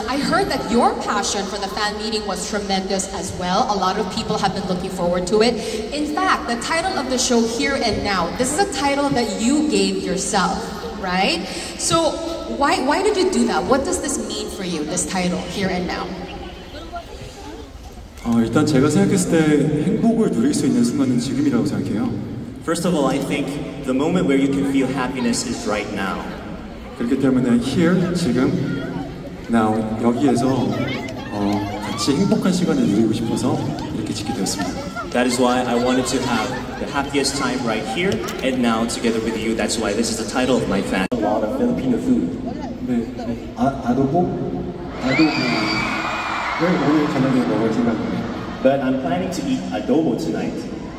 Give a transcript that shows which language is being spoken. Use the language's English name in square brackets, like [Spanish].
[English] I heard that your passion for the fan meeting was tremendous as well. A lot of people have been looking forward to it. In fact, the title of the show, Here and Now, this is a title that you gave yourself, right? So why did you do that? What does this mean for you, this title, Here and Now? [Korean] 일단 제가 생각했을 때 행복을 누릴 수 있는 순간은 지금이라고 생각해요. [English] First of all, I think the moment where you can feel happiness is right now. [Korean] 그렇기 때문에 here, 지금, now, 여기에서 같이 행복한 시간을 누리고 싶어서 이렇게 짓게 되었습니다. [English] That is why I wanted to have the happiest time right here and now together with you. That's why this is the title of my fan. A lot of Filipino food. Adobo? But I'm planning to eat adobo tonight.